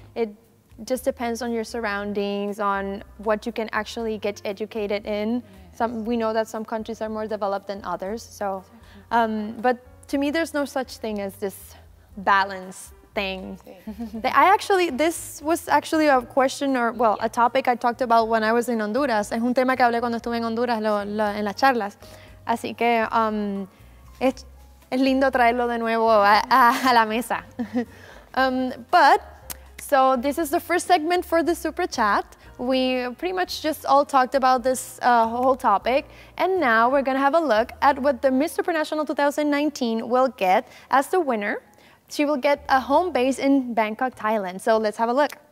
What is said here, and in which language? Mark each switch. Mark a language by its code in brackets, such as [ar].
[en] It just depends on your surroundings, on what you can actually get educated in. Some, we know that some countries are more developed than others. So, but to me, there's no such thing as this balance thing. I actually, this was actually a question or, well, a topic I talked about when I was in Honduras. [es] Es un tema que hablé cuando estuve en Honduras en las charlas. Así que es lindo traerlo de nuevo a la mesa. [en] But, so this is the first segment for the Super Chat. We pretty much just all talked about this whole topic. And now we're going to have a look at what the Miss Supernational 2019 will get as the winner. She will get a home base in Bangkok, Thailand. So let's have a look.